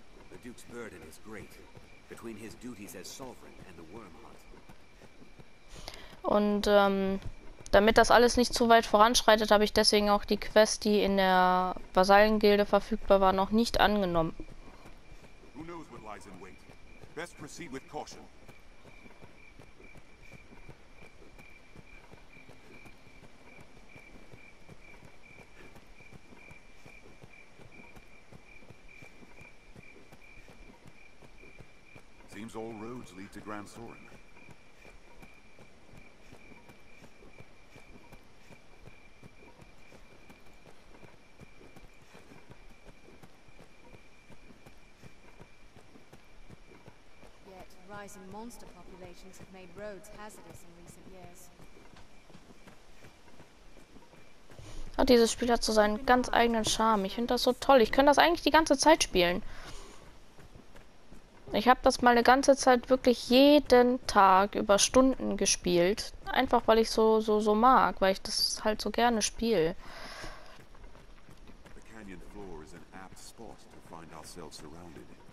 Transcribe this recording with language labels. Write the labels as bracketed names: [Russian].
[English] The Duke's burden is great, between his duties as sovereign and the worm hunt. [German] Und damit das alles nicht zu weit voranschreitet, habe ich deswegen auch die Quest, die in der Vasallengilde verfügbar war, noch nicht angenommen. [English] Who knows what lies in wait. Best proceed with caution. Seems all roads lead to Grand Sorin. Yet rising monster populations have made roads hazardous in recent years. [German] Ach, dieses Spiel hat so seinen ganz eigenen Charme. Ich finde das so toll. Ich könnte das eigentlich die ganze Zeit spielen. Ich habe das mal eine ganze Zeit wirklich jeden Tag über Stunden gespielt. Einfach weil ich so mag, weil ich das halt so gerne spiele. [English] The canyon floor is an apt spot to find ourselves surrounded.